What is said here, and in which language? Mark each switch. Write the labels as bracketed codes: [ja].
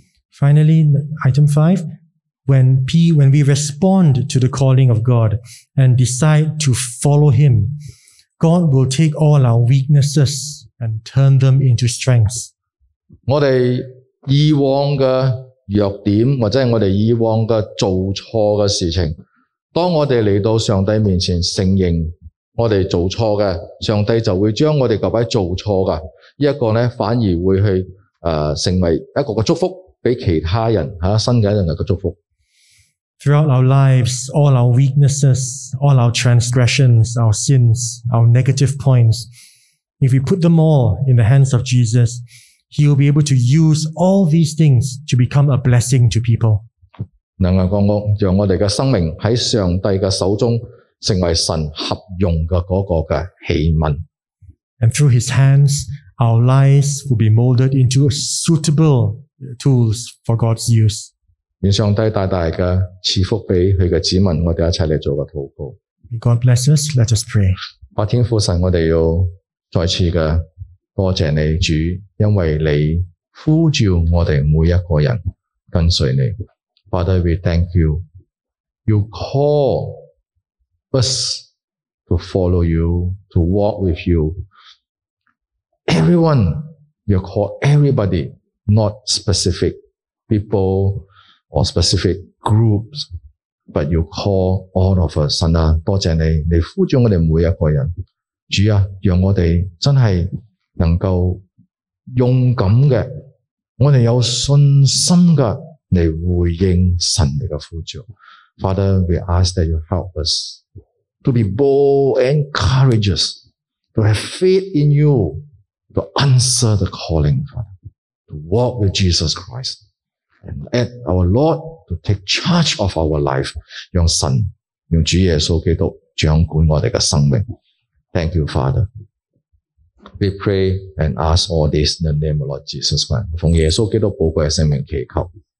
[en] Finally, item 5. When we respond to the calling of God and decide to follow Him, God will take all our weaknesses and turn them into strengths. [zh] 我们以往的弱点或者我们以往的做错的事情，当我们来到上帝面前承认我们做错的，上帝就会将我们那边做错的一个呢，反而会去成为一个的祝福给其他人，新的人的祝福。 [en] Throughout our lives, all our weaknesses, all our transgressions, our sins, our negative points, if we put them all in the hands of Jesus, He will be able to use all these things to become a blessing to people. [zh] 能够讲我，让我们的生命在上帝的手中成为神合用的那个的器皿。 [en] And through His hands, our lives will be molded into suitable tools for God's use. [zh] 愿上帝大大的赐福给祂的子民，我们一起来做个祷告。 [en] May God bless us, let us pray. [zh] 白天父神，我们要再次的多谢你主，因为你呼召我们每一个人跟随你。 [en] Father, we thank you. You call us to follow you, to walk with you. Everyone, you call everybody, not specific people,or specific groups, but you call all of us. [zh] 神啊，多谢你，你呼召我们每一个人。主啊，让我们真是能够勇敢的，我们有信心的来回应神你的呼召。 [en] Father, we ask that you help us to be bold and courageous, to have faith in you, to answer the calling, Father, to walk with Jesus Christ. And let our Lord to take charge of our life, [zh] 让神用主耶稣基督掌管我们的生命。 [en] Thank you, Father. We pray and ask all this in the name of Lord Jesus Christ. [zh] 奉耶稣基督宝贵的圣名祈求。